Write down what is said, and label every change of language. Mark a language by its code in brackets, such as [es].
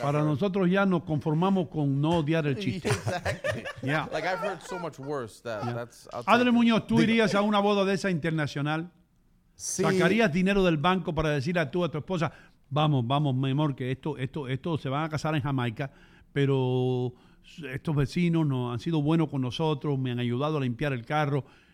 [es] Para nosotros ya nos conformamos con no odiar el chiste. [en] Exactly. Yeah. Like I've heard so much worse that that's. [es] Adre Muñoz, ¿tú irías a una boda de esa internacional? Sí. ¿Sacarías dinero del banco para decirle a tu esposa, vamos, mi amor, que esto se van a casar en Jamaica, pero estos vecinos no han sido buenos con nosotros, me han ayudado a limpiar el carro?